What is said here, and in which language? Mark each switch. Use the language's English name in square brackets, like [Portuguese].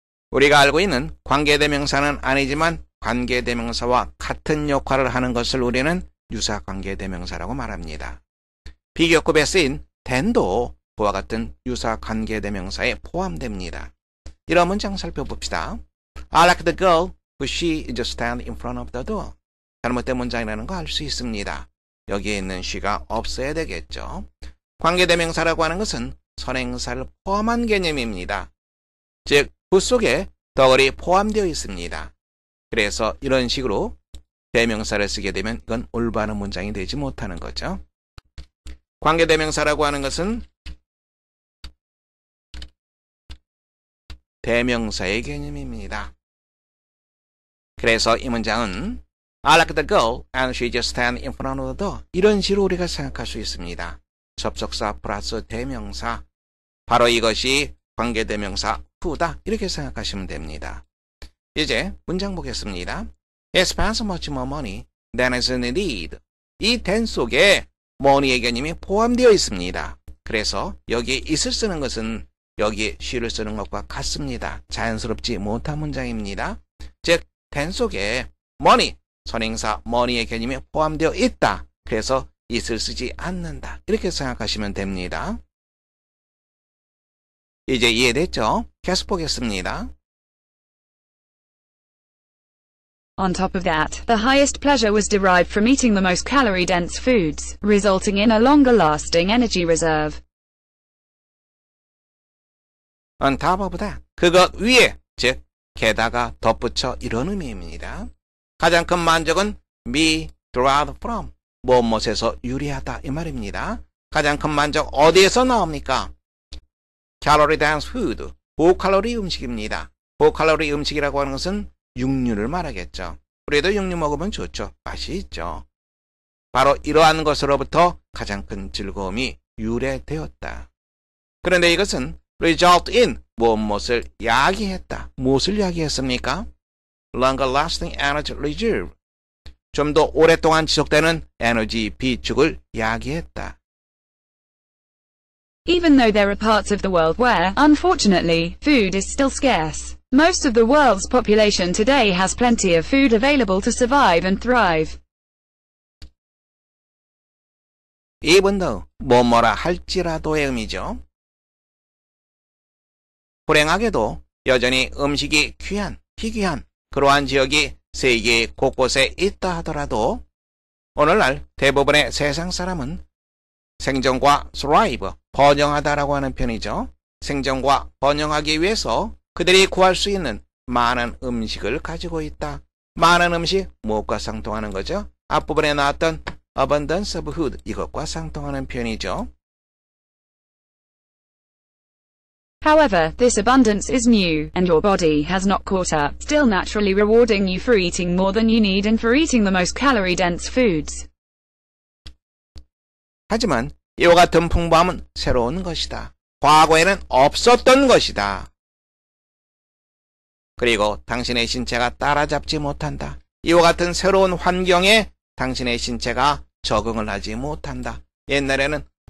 [Korean] 우리가 알고 있는 관계대명사는 아니지만 관계대명사와 같은 역할을 하는 것을 우리는 유사관계대명사라고 말합니다. 비교급에 쓰인 then도 그와 같은 유사관계대명사에 포함됩니다. 이런 문장 살펴봅시다. [English] I like the girl, but she is just standing in front of the door. [Korean] 잘못된 문장이라는 거 알 수 있습니다. 여기에 있는 she가 없어야 되겠죠. 관계대명사라고 하는 것은 선행사를 포함한 개념입니다. 즉, 그 속에 덕어리 포함되어 있습니다. 그래서 이런 식으로 대명사를 쓰게 되면 이건 올바른 문장이 되지 못하는 거죠. 관계대명사라고 하는 것은 대명사의 개념입니다. 그래서 이 문장은 [English] I like the girl and she just stand in front of the door. [Korean] 이런 식으로 우리가 생각할 수 있습니다. 접속사 플러스 대명사. 바로 이것이 관계대명사 후다. 이렇게 생각하시면 됩니다. 이제 문장 보겠습니다. [English] It spends much more money than is needed. [Korean] 이 than 속에 money의 개념이 포함되어 있습니다. 그래서 여기에 is을 쓰는 것은 여기에 she를 쓰는 것과 같습니다. 자연스럽지 못한 문장입니다. 즉, than 속에 money, 선행사 money의 개념이 포함되어 있다. 그래서 is을 쓰지 않는다. 이렇게 생각하시면 됩니다. 이제 이해됐죠? 계속 보겠습니다. [English] On top of that, the highest pleasure was derived from eating the most calorie-dense foods, resulting in a longer-lasting energy reserve. On top of that, [Korean] 그것 위에, 즉, 게다가 덧붙여 이런 의미입니다. 가장 큰 만족은 be derived from, 무엇에서 유리하다 이 말입니다. 가장 큰 만족 어디에서 나옵니까? Calorie-dense food, 고칼로리 음식입니다. 고칼로리 음식이라고 하는 것은 육류를 말하겠죠. 우리도 육류 먹으면 좋죠. 맛이 있죠. 바로 이러한 것으로부터 가장 큰 즐거움이 유래되었다. 그런데 이것은 result in 무엇을 야기했다. 무엇을 야기했습니까? [English] Longer lasting energy reserve. 좀 더 오랫동안 지속되는 에너지 비축을 야기했다. Even though there are parts of the world where, unfortunately, food is still scarce, most of the world's population today has plenty of food available to survive and thrive. Even though, [Korean] 뭐뭐라 할지라도의 의미죠. 불행하게도 여전히 음식이 귀한, 희귀한 그러한 지역이 세계 곳곳에 있다 하더라도 오늘날 대부분의 세상 사람은 생존과 thrive, 번영하다라고 하는 편이죠. 생존과 번영하기 위해서 그들이 구할 수 있는 많은 음식을 가지고 있다. 많은 음식, 무엇과 상통하는 거죠? 앞부분에 나왔던 [English] abundance of food, [Korean] 이것과 상통하는 편이죠. [English] However, this abundance is new, and your body has not caught up, still naturally rewarding you for eating more than you need and for eating the most calorie-dense foods. [Korean] 하지만 이와 같은 풍부함은 새로운 것이다. 과거에는 없었던 것이다. 그리고 당신의 신체가 따라잡지 못한다. 이와 같은 새로운 환경에 당신의 신체가 적응을 하지 못한다. 옛날에는